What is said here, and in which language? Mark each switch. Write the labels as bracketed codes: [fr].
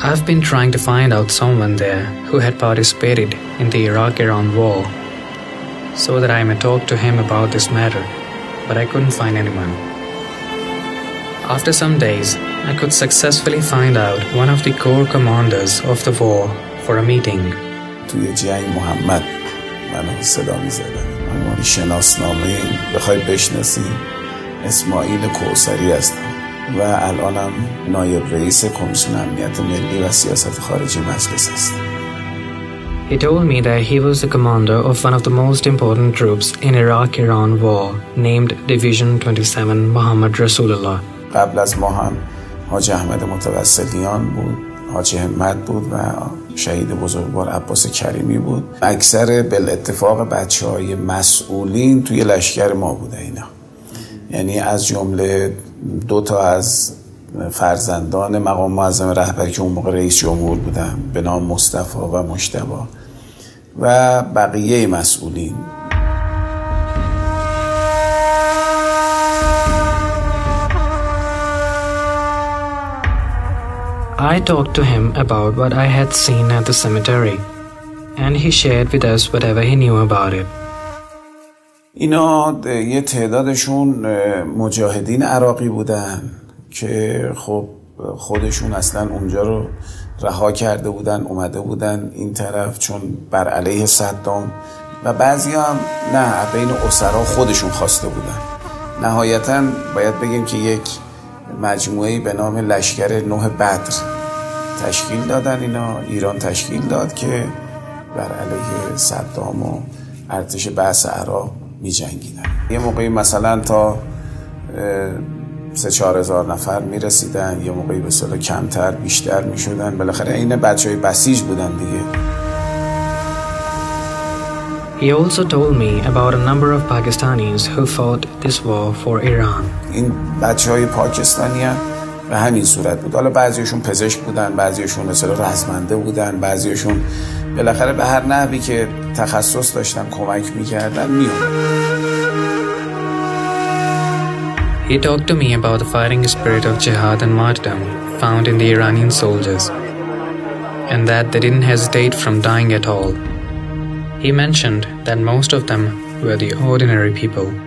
[en] I've been trying to find out someone there who had participated in the Iraq-Iran war so that I may talk to him about this matter. But I couldn't find anyone. After some days, I could successfully find out one of the core commanders of the war for a meeting. [fa] توی جنگ محمد من صدا می زدم. من شناسنامه بخوای بشناسی اسماعیل کوثری هستم و الانم نایب رئیس کمیسیون امنیت ملی و سیاست خارجی مجلس هستم. [en] He told me that he was the commander of one of the most important troops in Iraq-Iran war named Division 27 Muhammad Rasulullah. [fa] قبل از ما هم حاج احمد متوسلیان بود، حاج همت بود و شهید بزرگوار عباس کریمی بود. اکثر بالاتفاق بچه‌های مسئولین توی لشکر ما بوده اینا. یعنی از جمله دو تا از فرزندان مقام معظم رهبری که اون موقع رئیس جمهور بودن به نام مصطفی و مجتبی و بقیه مسئولین. [en] I talked to him about what I had seen at the cemetery and he shared with us whatever he knew about it. [fa] اینا یه تعدادشون مجاهدین عراقی بودن که خب خودشون اصلا اونجا رو رها کرده بودن، اومده بودن این طرف چون بر علیه صدام، و بعضی هم نه بین اسرا خودشون خواسته بودن. نهایتا باید بگیم که یک مجموعه‌ای به نام لشکر نوح بدر تشکیل دادن اینا، ایران تشکیل داد که بر علیه صدام و ارتش بعث عراق می جنگیدن. یه موقعی مثلا تا 3-4 هزار نفر می رسیدن، یه موقعی به سال کمتر بیشتر می شدن، بالاخره این بچه های بسیج بودن دیگه. [en] He also told me about a number of Pakistanis who fought this war for Iran. [fa] این بچه های پاکستانی هم به همین صورت بود. حالا بعضیشون پزشک بودن، بعضیشون مثلا رزمنده بودن، بعضیشون بالاخره به هر نحوی که تخصص داشتن کمک می کردن می اومدن. [en] He talked to me about the fighting spirit of jihad and martyrdom found in the Iranian soldiers and that they didn't hesitate from dying at all. He mentioned that most of them were the ordinary people.